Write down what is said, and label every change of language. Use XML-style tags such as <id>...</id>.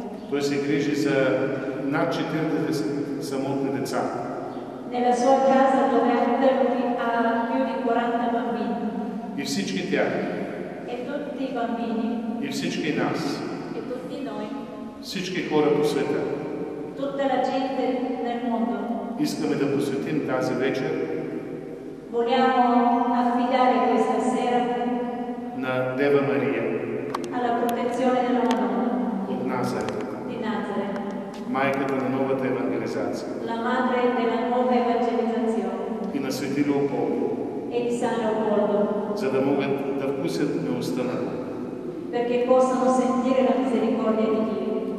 <it>Lui si grigi se nacci tende di samotni di zan. Nella sua casa dove ha tenuti a più di 40 bambini.</it> <bg>И всички тях.</bg> <it>E tutti i bambini.</it> <bg>И всички нас.</bg> <it>E tutti noi.</it> <bg>Всички хора по света.</bg> <it>Tutta la gente nel mondo.</it> <bg>Искаме да посветим тази вечер.</bg> <it>Vogliamo affidare questa sera</it> <bg>на Дева Мария.</bg> <it>Alla protezione della Madonna.</it> <bg>От Назарет.</bg> <it>Di Nazaret.</it> <bg>Майката на новата евангелизация.</bg> <it>La madre della nuova evangelizzazione.</it> <bg>И на Свети Леополд.</bg> <it>E di San Leopoldo.</it> <bg>За да могат да вкусят милостта на Бога.</bg> <it>Perché possano sentire la misericordia di Dio.</it>